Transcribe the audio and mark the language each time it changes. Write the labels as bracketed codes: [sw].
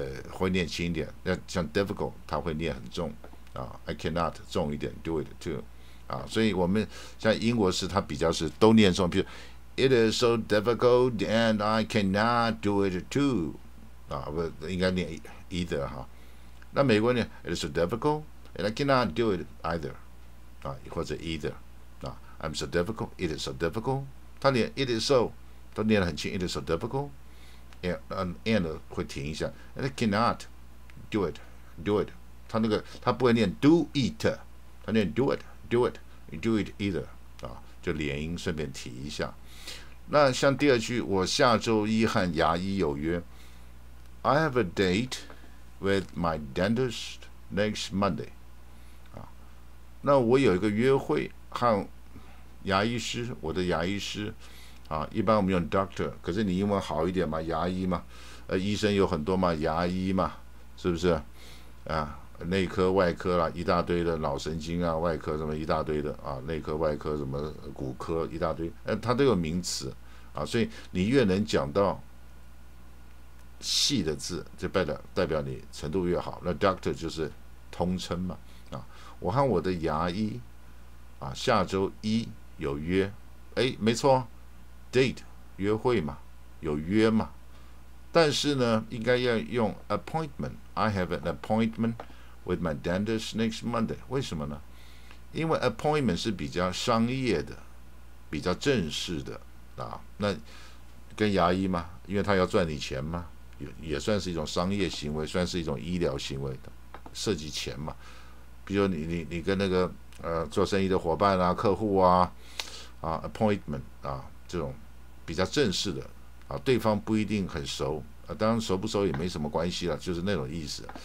[zh] 会念轻一点，那像 difficult 它会念很重啊， [en] I cannot [zh] 重一点 [en] do it too [zh] 啊，所以我们像英国是它比较是都念重，比如 [en] It is so difficult, and I cannot do it too. [zh] 啊，不，应该念 either 哈。那美国呢 [en] ？It is so difficult, and I cannot do it either. [zh] 啊，或者 [en] either. 啊 ，I'm so difficult. It is so difficult. [zh] 他念 [en] it is so， [zh] 都念得很轻。 [en] It is so difficult. And [zh] 会停一下。 [en] And I cannot do it. Do it. [zh] 他那个他不会念 [en] do it， [zh] 他念 do it. [en] Do it. Do it either. [zh] 啊，就连音顺便提一下。那像第二句，我下周一和牙医有约。 [en] I have a date with my dentist next Monday。 [zh] 啊，那我有一个约会和牙医师，我的牙医师。啊，一般我们用 doctor， 可是你英文好一点嘛，牙医嘛，医生有很多嘛，牙医嘛，是不是？啊，内科、外科啦，一大堆的脑神经啊，外科什么一大堆的啊，内科、外科什么骨科一大堆，它都有名词啊，所以你越能讲到细的字，就代表你程度越好。那 doctor 就是通称嘛啊，我和我的牙医啊，下周一有约，哎，没错 ，date 约会嘛，有约嘛，但是呢，应该要用 appointment。 [en] I have an appointment。 With my dentist next Monday， [zh] 为什么呢？因为 appointment 是比较商业的，比较正式的啊。那跟牙医嘛，因为他要赚你钱嘛，也算是一种商业行为，算是一种医疗行为的，涉及钱嘛。比如你跟那个做生意的伙伴啊、客户啊啊 appointment 啊这种比较正式的啊，对方不一定很熟啊，当然熟不熟也没什么关系了，就是那种意思。